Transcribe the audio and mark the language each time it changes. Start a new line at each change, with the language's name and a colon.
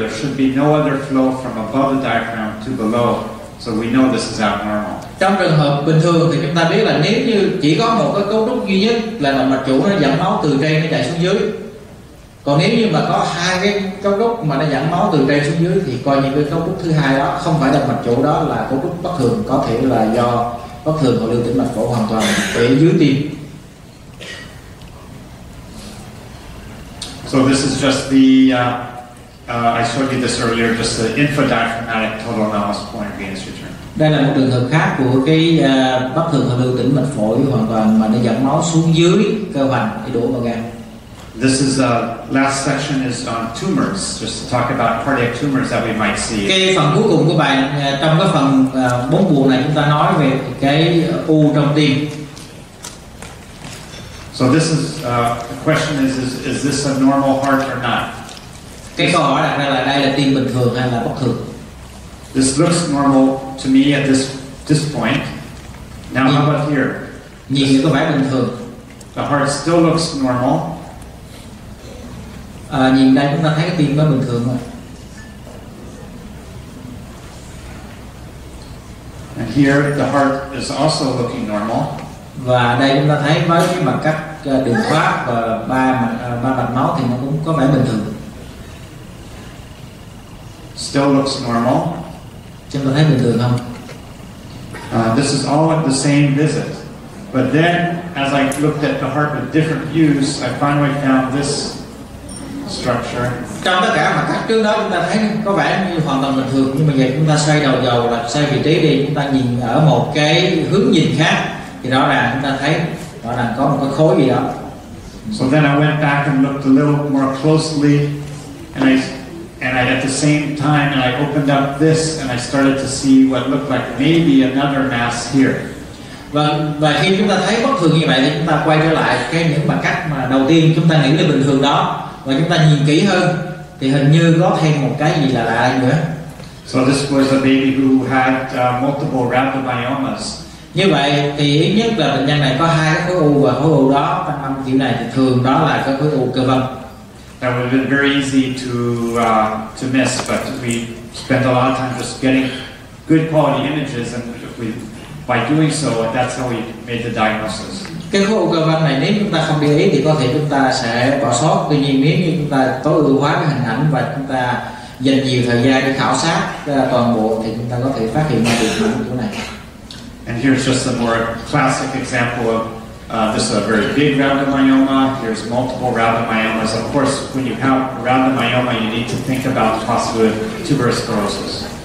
English: There should be no other flow from above the diaphragm to below. So we know this is abnormal.
Vietnamese: Trong trường hợp bình thường thì chúng ta biết là nếu như chỉ có một cái cấu trúc duy nhất là động mạch chủ nó dẫn máu từ trên nó chạy xuống dưới. Còn nếu như mà có hai cái cấu trúc mà nó dẫn máu từ trên xuống dưới thì coi như cái cấu trúc thứ hai đó không phải động mạch chủ, đó là cấu trúc bất thường, có thể là do bất thường hồi lưu tĩnh mạch phổi hoàn toàn ở dưới tim.
English: So this is just the I showed you this earlier, just the infradiaphragmatic total anomalous point of venous return.
Vietnamese: Đây là một trường hợp khác của cái bất thường hồi lưu tĩnh mạch phổi hoàn toàn mà nó dẫn máu xuống dưới cơ hoành để đổ vào gan.
English: This is the last section is on tumors, just to talk about cardiac tumors that we might see.
Vietnamese: Cái phần cuối cùng của bài trong cái phần bốn buồn này chúng ta nói về cái u trong tim.
English: So this is the question is this a normal heart or not?
Vietnamese: Cái câu hỏi đặt ra là đây là tim bình thường hay là bất thường?
English: This looks normal to me at this point. Now how about here?
Vietnamese: Nhìn có vẻ bình thường.
English: The heart still looks normal.
Vietnamese: Nhìn đây chúng ta thấy cái tim nó bình thường thôi.
English: And here the heart is also looking normal.
Vietnamese: Và đây chúng ta thấy với cái mặt cắt đường thoát và ba mạch máu thì nó cũng có vẻ bình thường.
English: Still looks normal.
Vietnamese: Chúng ta thấy bình thường không?
English: This is all at the same visit. But then as I looked at the heart with different views, I finally found this structure.
Vietnamese: Trong tất cả mặt cắt trước đó chúng ta thấy có vẻ như hoàn toàn bình thường, nhưng mà giờ chúng ta xoay đầu dầu là xoay vị trí đi, chúng ta nhìn ở một cái hướng nhìn khác thì rõ ràng chúng ta thấy rõ ràng có một cái khối gì đó.
English: So then I went back and looked a little more closely, and I at the same time and I opened up this and I started to see what looked like maybe another mass here.
Vietnamese: Và khi chúng ta thấy bất thường như vậy thì chúng ta quay trở lại cái những mặt cắt mà đầu tiên chúng ta nghĩ là bình thường đó, và chúng ta nhìn kỹ hơn thì hình như có thêm một cái gì là lạ nữa.
English: So this was a baby who had multiple rhabdomyomas.
Vietnamese: Như vậy thì ít nhất là bệnh nhân này có hai cái khối u, và khối u đó trong âm kiểu này thì thường đó là cái khối u cơ vân.
English: That would have been very easy to miss, but we spent a lot of time just getting good quality images, and by doing so, that's how we made the diagnosis.
Vietnamese: Cái khối u cơ vân này nếu chúng ta không để ý thì có thể chúng ta sẽ bỏ sót. Tuy nhiên nếu như chúng ta tối ưu hóa cái hình ảnh và chúng ta dành nhiều thời gian để khảo sát toàn bộ thì chúng ta có thể phát hiện ra được cái chỗ này.
English: And here's just a more classic example of this is a very big rhabdomyoma. Here's multiple rhabdomyomas. Of course, when you have a rhabdomyoma, you need to think about the possibility of tuberous sclerosis.